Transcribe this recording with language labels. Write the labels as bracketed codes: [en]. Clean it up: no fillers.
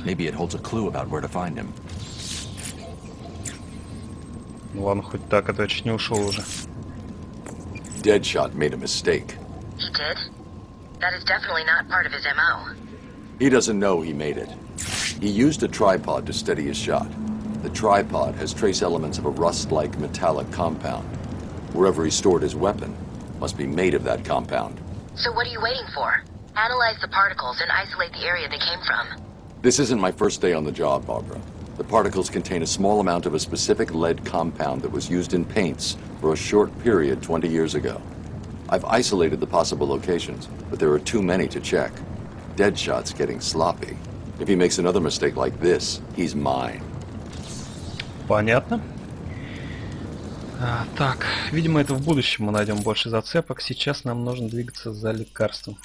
[en] Maybe it holds a clue about where to find him. [ru] Ну ладно, хоть так, а то я чуть не ушел уже. [en] Deadshot made a mistake. He did? That is definitely not part of his MO. He doesn't know he made it. He used a tripod to steady his shot. The tripod has trace elements of a rust-like metallic compound. Wherever he stored his weapon must be made of that compound. So what are you waiting for? Analyze the particles and isolate the area they came from. This isn't my first day on the job, Barbara. The particles contain a small amount of a specific lead compound that was used in paints for a short period 20 years ago. I've isolated the possible locations, but there are too many to check. Deadshot's getting sloppy. If he makes another mistake like this, he's mine. [ru] Понятно. Так, видимо, это в будущем мы найдем больше зацепок. Сейчас нам нужно двигаться за лекарством.